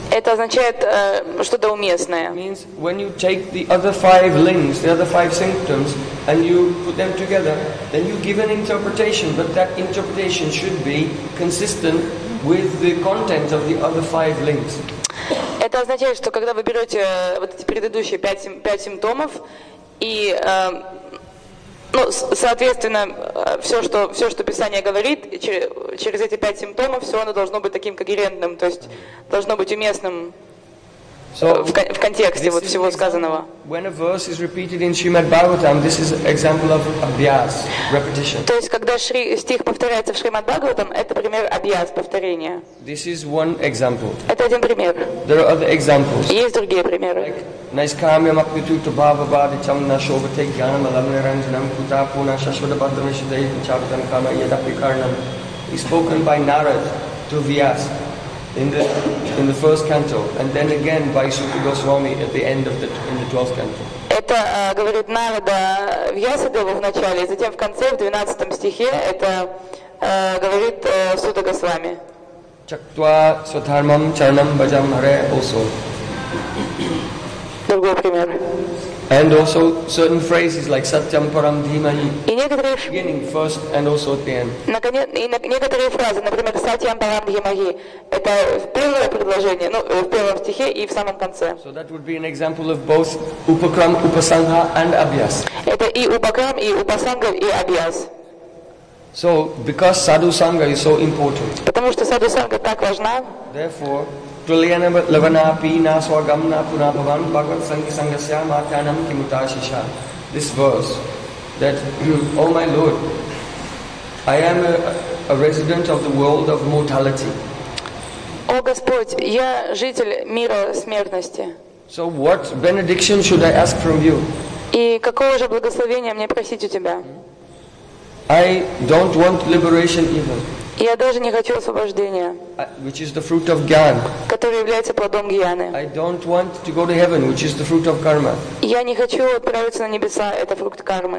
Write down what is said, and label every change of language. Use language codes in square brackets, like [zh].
[ru] Это означает что-то уместное. [en] It means when you take the other five lings, the other five symptoms, and you put them together, then you give an interpretation, but that interpretation should be consistent with the content of the other five lings. [ru] Это означает, что когда вы берете вот эти предыдущие пять симптомов и соответственно, все, что Писание говорит через эти пять симптомов, все оно должно быть таким когерентным, то есть должно быть уместным в контексте вот всего сказанного. [en] When a verse is repeated in Shrimad Bhagavatam, this is an example of abhyas, repetition. [ru] То есть когда стих повторяется в Шримад Бхагаватам, это пример абьяс, повторения. [en] This is one example. [ru] Это один пример. [en] There are other examples. [ru] Есть другие примеры. [sa] Naiskamyam akvitutu bhava-vaditam nashovate gyanam alamnaranjanam kutapuna shashvada-bhadra-mishadayitam chavatam kama yadapikarnam. [en] It's spoken by Narad to Vyas in the first canto, and then again by Sukhi Goswami at the end of the 12th canto. [ru] Это говорит Нарада Вьясадеву в начале, и затем в конце, в 12 стихе, это говорит Сута Госвами. [sa] Чактва свадхармам чарнам бхаджам харе also. [en] And also certain phrases like [sa] satyam param dhimahi. [ru] И некоторые [en] beginning, first, and also at the end. [ru] Некоторые фразы, например, [sa] satyam param dhimahi [ru] — это в первом предложении, в первом стихе и в самом конце. [en] So that would be an example of both upakram, upasangha, and abhyas. [ru] Это и упакрам, и упасанга, и абьяс. [en] So because sadhu sangha is so important. [ru] Потому что sadhu sangha так важна. [sa] Therefore. Tulyana lavana pina swagamna puna bhavan bhagavat sanghi sanghasya matyanam kimutashisha. [en] This verse that, oh my lord, I am a resident of the world of mortality. [ru] О Господь, я житель мира смертности. [en] So what benediction should I ask from you? [ru] И какого же благословения мне просить у тебя? [en] I don't want liberation even. [ru] Я даже не хочу освобождения, [en] which is the fruit of gyan, [ru] который является плодом гьяны. [en] I don't want to go to heaven, which is the fruit of karma. [ru] Я не хочу отправиться на небеса, это фрукт кармы.